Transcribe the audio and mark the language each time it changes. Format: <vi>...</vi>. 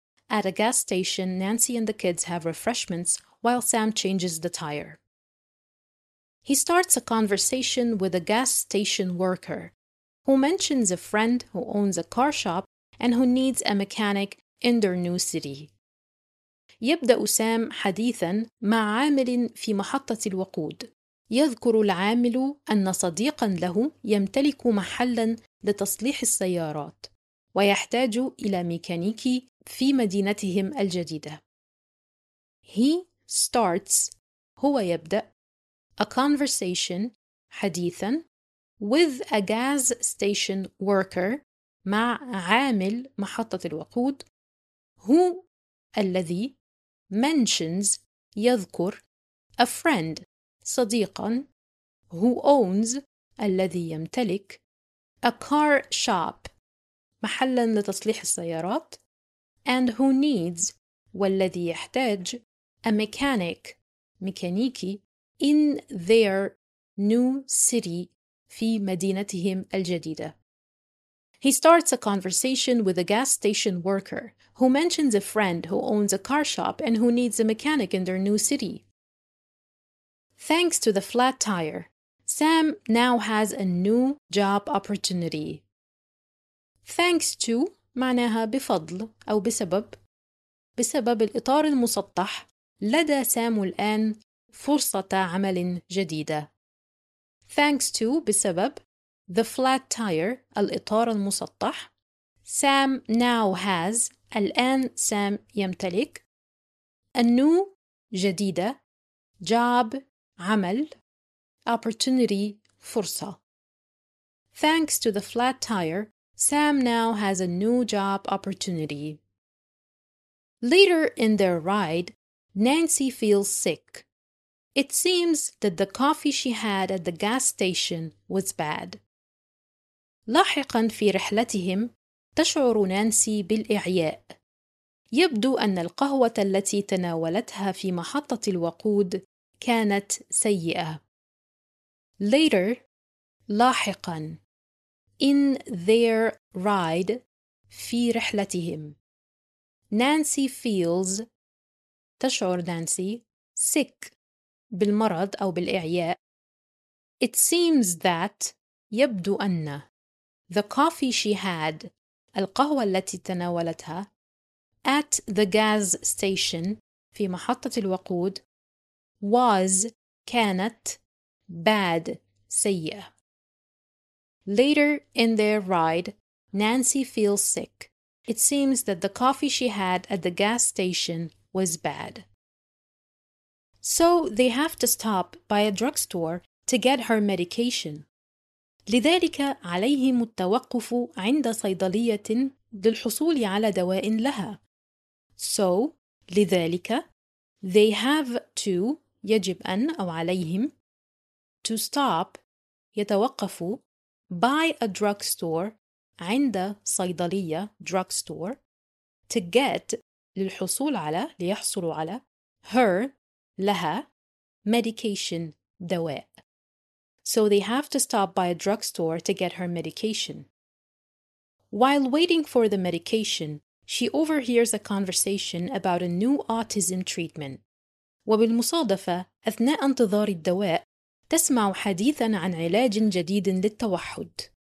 <en>At a gas station, Nancy and the kids have refreshments while Sam changes the tire. He starts a conversation with a gas station worker, who mentions a friend who owns a car shop and who needs a mechanic in their new city.</en> <ar>يبدأ سام حديثاً مع عامل في محطة الوقود. يذكر العامل أن صديقاً له يمتلك محلاً لتصليح السيارات ويحتاج إلى ميكانيكي في مدينتهم الجديدة.</ar> <en>He starts,</en> <ar>هو يبدأ,</ar> <en>a conversation,</en> <ar>حديثاً,</ar> <en>with a gas station worker,</en> <ar>مع عامل محطة الوقود.</ar> <en>Who,</en> <ar>الذي,</ar> <en>mentions,</en> <ar>يذكر,</ar> <en>a friend,</en> <ar>صديقاً,</ar> <en>who owns,</en> <ar>الذي يمتلك,</ar> <en>a car shop,</en> <ar>محلاً لتصليح السيارات,</ar> <en>and who needs,</en> <ar>والذي يحتاج,</ar> <en>a mechanic,</en> <ar>ميكانيكي,</ar> <en>in their new city,</en> <ar>في مدينتهم الجديدة.</ar> <en>He starts a conversation with a gas station worker, who mentions a friend who owns a car shop and who needs a mechanic in their new city. Thanks to the flat tire, Sam now has a new job opportunity. Thanks to</en> <ar>معناها بفضل أو بسبب. بسبب الإطار المسطح لدى سام الآن فرصة عمل جديدة.</ar> <en>Thanks to</en> <ar>بسبب</ar> <en>the flat tire</en> <ar>الإطار المسطح.</ar> <en>Sam now has</en> <ar>الآن سام يمتلك</ar> <en>a new</en> <ar>جديدة</ar> <en>job</en> <ar>عمل</ar> <en>opportunity</en> <ar>فرصة.</ar> <en>Thanks to the flat tire, Sam now has a new job opportunity. Later in their ride, Nancy feels sick. It seems that the coffee she had at the gas station was bad.</en> <ar>لاحقاً في رحلتهم تشعر نانسي بالإعياء. يبدو أن القهوة التي تناولتها في محطة الوقود كانت سيئة.</ar> <en>Later,</en> <ar>لاحقاً,</ar> <en>in their ride,</en> <ar>في رحلتهم.</ar> <en>Nancy feels,</en> <ar>تشعر نانسي,</ar> <en>sick,</en> <ar>بالمرض أو بالإعياء.</ar> <en>It seems that,</en> <ar>يبدو أن,</ar> <en>the coffee she had,</en> <ar>القهوة التي تناولتها,</ar> <en>at the gas station,</en> <ar>في محطة الوقود,</ar> <en>was,</en> <ar>كانت,</ar> <en>bad,</en> <ar>سيئة.</ar> <en>Later in their ride, Nancy feels sick. It seems that the coffee she had at the gas station was bad. So they have to stop by a drugstore to get her medication.</en> <ar>لذلك عليهم التوقف عند صيدلية للحصول على دواء لها.</ar> <en>So,</en> <ar>لذلك,</ar> <en>they have to,</en> <ar>يجب أن أو عليهم,</ar> <en>to stop,</en> <ar>يتوقفوا,</ar> <en>by a drugstore,</en> <ar>عند صيدلية,</ar> <en>drugstore, to get,</en> <ar>للحصول على, ليحصلوا على,</ar> <en>her,</en> <ar>لها,</ar> <en>medication,</en> <ar>دواء.</ar> <en>So they have to stop by a drugstore to get her medication. While waiting for the medication, she overhears a conversation about a new autism treatment.</en> <ar>وبالمصادفة, أثناء انتظار الدواء, تسمع حديثاً عن علاج جديد للتوحد.</ar>